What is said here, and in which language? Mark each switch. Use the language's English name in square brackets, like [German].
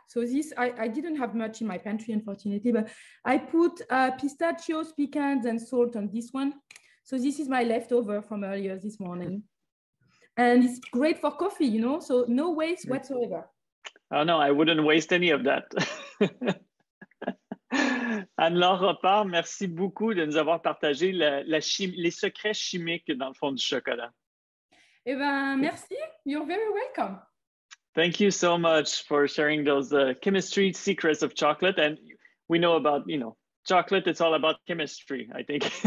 [English] So this, I didn't have much in my pantry, unfortunately, but I put pistachios, pecans and salt on this one. So this is my leftover from earlier this morning. And it's great for coffee, you know, so no waste whatsoever. Oh, no, I wouldn't waste any of that. [French] Anne-Laure Ropars, merci beaucoup de nous avoir partagé les secrets chimiques dans le fond du chocolat. Eh bien, merci. [English] You're very welcome. Thank you so much for sharing those chemistry secrets of chocolate. And we know about, you know, chocolate, it's all about chemistry, I think.